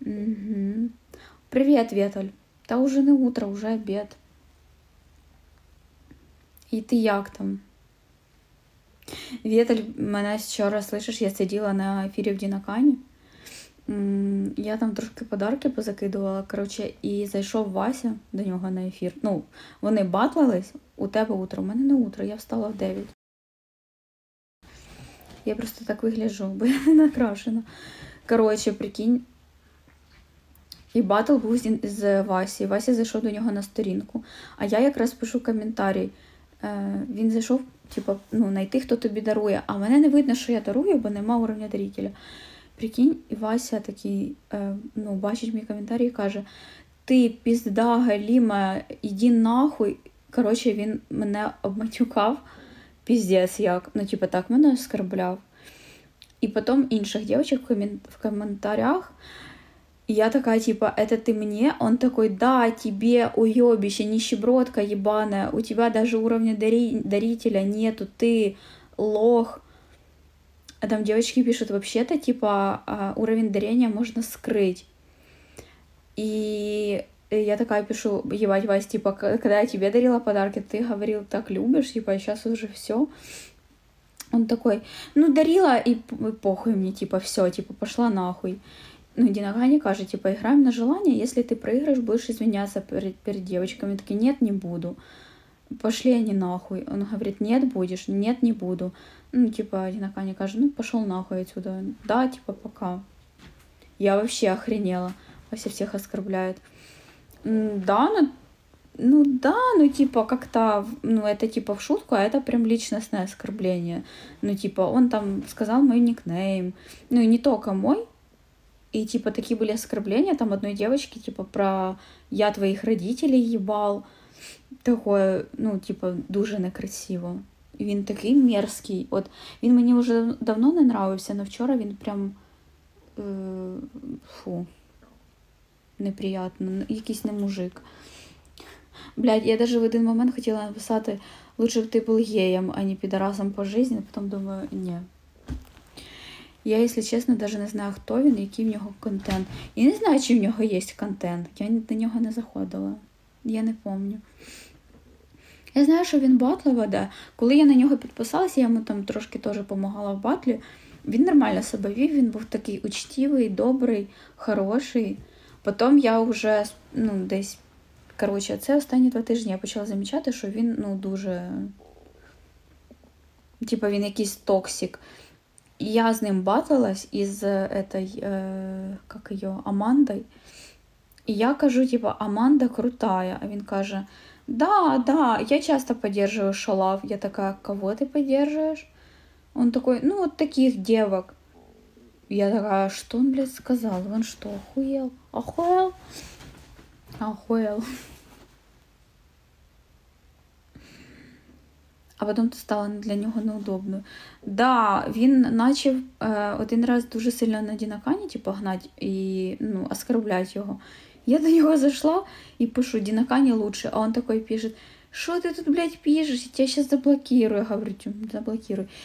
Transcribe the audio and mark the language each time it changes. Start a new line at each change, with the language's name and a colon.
Ukrainian: Угу. Привіт, Вєтель. Та вже не утро, вже обід. І ти як там? Вєтель, мене вчора, слышиш, я сиділа на ефірі в Дінакані. Я там трошки подарки позакидувала, коротше, і зайшов Вася до нього на ефір. Ну, вони батлились, у тебе утро, у мене не утро, я встала в 9. Я просто так вигляжу, бо я не накрашена. Коротше, прикинь. І батл був з Васі. Вася зайшов до нього на сторінку. А я якраз пишу коментарі. Він зайшов, типу, ну, найти, хто тобі дарує. А мене не видно, що я дарую, бо нема уровня дарителя. Прикинь, і Вася такий, ну, бачить мій коментарі і каже: «Ти пізда галіма, іди нахуй». Коротше, він мене обматюкав. Піздець як. Ну, типу, так мене оскорбляв. І потім інших дівчинок в коментарях. І я така, типу, «Это ти мені?»
Russian: Он такий: «Да, тебе, уйобище, нищебродка ебаная, у тебя даже уровня дарителя нету, ти лох».
Ukrainian: А там дівчинки пишуть, «Вообще-то, типу,
Russian: уровень дарения
Ukrainian: можна скрити».
Russian: Я такая пишу: «Ебать, Вась, типа, когда я тебе дарила подарки, ты говорил, так любишь, типа, сейчас уже все». Он такой: «Ну, дарила, и похуй мне, типа, все, типа, пошла нахуй». Ну, Динагани каже, типа, «Играем на желание, если ты проиграешь, будешь извиняться перед девочками». Такой: «Нет, не буду. Пошли они нахуй». Он говорит: «Нет, будешь, нет, не буду». Ну, типа, Динагани каже, «Ну, пошел нахуй отсюда». «Да, типа, пока». Я вообще охренела. Вася всех оскорбляет. Да, Ну да, ну типа как-то, ну это типа в шутку, а это прям личностное оскорбление. Ну типа он там сказал мой никнейм, ну и не только мой. И типа такие были оскорбления там одной девочки, типа про я твоих родителей ебал. Такое, ну типа дуже некрасиво.
Ukrainian: Він такий мерзкий. От він мені вже давно не нравився, але вчора він прям фу, неприятно, якийсь не мужик. Блядь, я даже в один момент хотіла написати, лучше б ти був геєм, а не підарасом по житті, а потім думаю, ні. Я, якщо чесно, даже не знаю, хто він, який в нього контент. Я не знаю, чи в нього є контент. Я на нього не заходила. Я не пам'ятаю. Я знаю, що він батли веде. Коли я на нього підписалася, я йому там трошки теж допомагала в батлі. Він нормально себе вів, він був такий учтивий, добрий, хороший. Потім я вже, ну, десь, коротше, це останні два тижні, я почала замічати, що він, ну, дуже... Типа, він якийсь токсик. Я з ним батлилась із этой, як її, Амандою. І я кажу, типа, Аманда крутая. А він каже...
Russian: Да, да, я часто поддерживаю Шалав. Я такая, кого ты поддерживаешь? Он такой, ну вот таких девок. Я такая, что он, блядь, сказал? Он что, охуел? Охуел? Охуел. А потом это стало для него неудобно. Да, он начал один раз дуже сильно на Динакані, типа, гнать и, ну, оскорблять его.
Ukrainian: Я до нього зайшла і пишу, Динакані лучше. А він такий пише, що ти тут, блядь, пишеш? Я тебе зараз заблокирую. Я говорю, заблокирую.